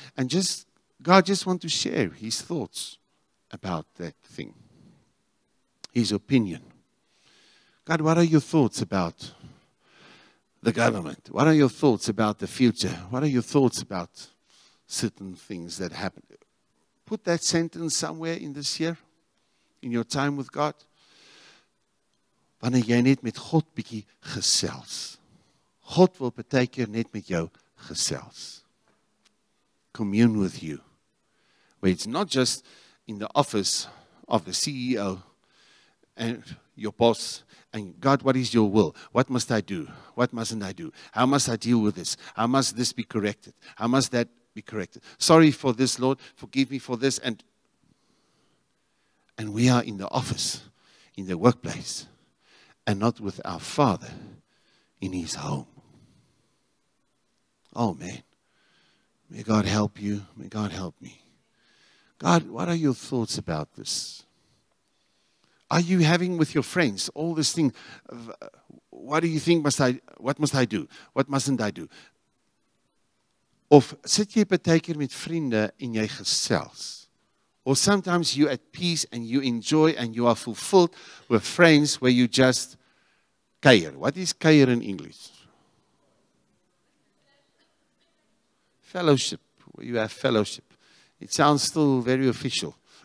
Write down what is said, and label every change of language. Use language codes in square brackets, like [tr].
[en] And just, God just wants to share His thoughts about that thing. His opinion. God, what are your thoughts about the government? What are your thoughts about the future? What are your thoughts about certain things that happen? Put that sentence somewhere in this year, in your time with God. [af] Wanneer jy net met God bietjie gesels. God wil baie keer net met jou gesels. [en] Commune with you. Where it's not just in the office of the CEO and your boss. And God, what is your will? What must I do? What mustn't I do? How must I deal with this? How must this be corrected? How must that be corrected? Sorry for this, Lord. Forgive me for this. And we are in the office, in the workplace. And not with our Father in His home. Oh, man. May God help you. May God help me. God, what are your thoughts about this? Are you having with your friends all this thing? What do you think must I do? What mustn't I do? [af] Of sit jy partykeer met vriende en jy gesels? [en] Or sometimes you at peace and you enjoy and you are fulfilled with friends where you just kair. What is kair in English? Fellowship. Where you have fellowship. It sounds still very official.